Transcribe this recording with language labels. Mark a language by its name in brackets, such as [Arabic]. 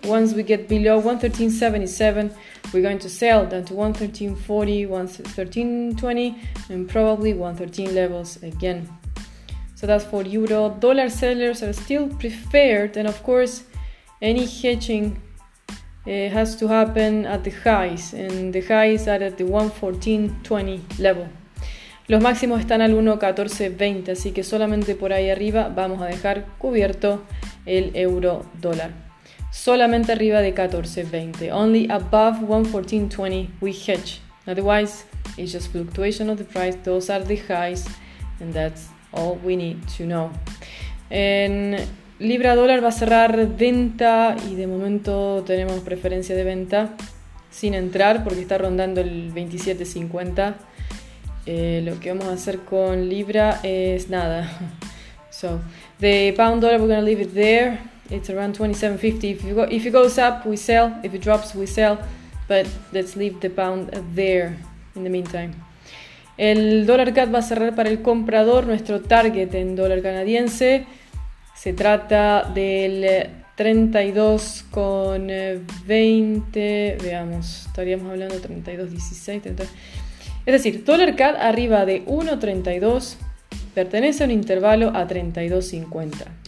[English] Once we get below 1.1377, we're going to sell down to 1.1340, 1.1320, and probably 1.13 levels again. So that's for euro. Dollar sellers are still preferred, and of course, any hedging has to happen at the highs, and the highs are at the 1.1420 level. [Spanish] Los máximos están al 1.1420, así que solamente por ahí arriba vamos a dejar cubierto el euro dólar. Solamente arriba de [English] 1420. Only above 1.1420 we hedge. Otherwise, it's just fluctuation of the price. Those are the highs, and that's all we need to know. [Spanish] En libra dólar va a cerrar venta, y de momento tenemos preferencia de venta sin entrar porque está rondando el 27.50. Lo que vamos a hacer con libra es nada. [English] So the pound dólar, we're going to leave it there. It's around 27.50. If it goes up, we sell. If it drops, we sell. But let's leave the pound there in the meantime. [Spanish] El dólar CAD va a cerrar para el comprador. Nuestro target en dólar canadiense se trata del 32.20. Veamos, estaríamos hablando de 32.16. Es decir, dólar CAD arriba de 1.32 pertenece a un intervalo a 32.50.